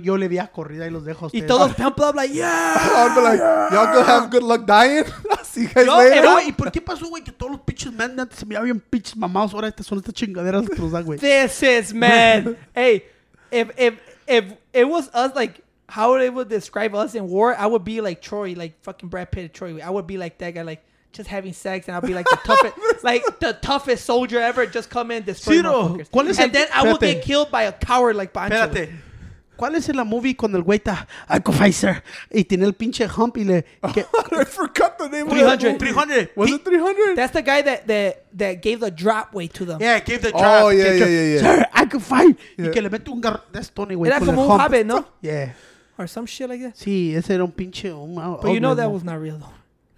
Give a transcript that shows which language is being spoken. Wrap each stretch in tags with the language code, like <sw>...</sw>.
<es>Yo le di a corrida y los dejo a ustedes. Y todos templados,</es> <en>like, yeah. I'll be like, y'all go have good luck dying. See you guys yo, later.</en> <es>¿Y por qué pasó, güey, que todos los pinches men de antes se miraban bien pinches mamados? Ahora estas son estas chingaderas que nos dan, güey.</es> <en>This is, man. Hey, if it was us, like, how they would describe us in war, I would be like Troy, like fucking Brad Pitt and Troy. I would be like that guy, like, just having sex, and I'll be like the toughest, like the toughest soldier ever. Just come in, destroy motherfuckers, and then I will get killed by a coward like Pancho.</en> <es>Espérate. ¿Cuál es el movie con el güey está Alcofizer y tiene el pinche hump y le?</es> <en>Que, I forgot the name. 300. Was it 300? That's the guy that gave the drop way to them. Yeah, gave the drop. Oh yeah.</en> <es>Sir, Alcofizer. Yeah. Y que le mete un garro.</es> <en>That's Tony,</en> <es>güey. Era como un hobby, ¿no?</es> <en>Yeah. Or some shit like that.</en> <es>Sí, ese era un pinche.</es> <en>But you know that was not real, though.</en>